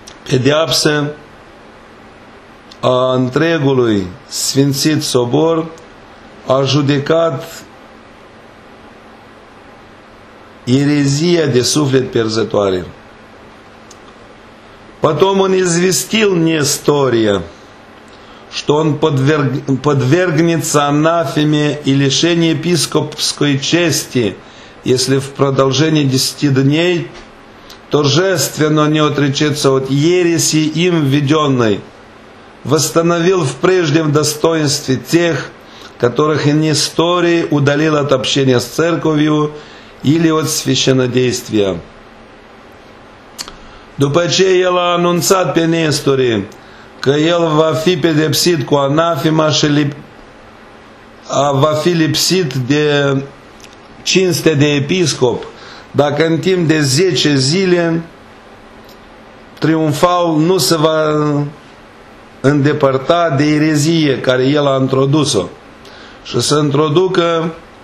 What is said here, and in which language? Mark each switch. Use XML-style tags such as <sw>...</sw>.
<ro>pedeapsă a întregului sfințit sobor a judecat erezia de suflet pierzătoare.</ro> <ru>Потом он известил Нестория, что он подвергнется анафеме и лишению епископской чести, если в продолжении 10 дней торжественно не отречется от ереси им введенной, восстановил в прежнем достоинстве тех, которых Несторий удалил от общения с церковью или от священнодействия.</ru> <ro>După ce el a anunțat pe Nestori că el va fi pedepsit cu anafima și va fi lipsit de cinste de episcop, dacă în timp de 10 zile triumfal nu se va îndepărta de erezie care el a introdus-o și să introducă</ro>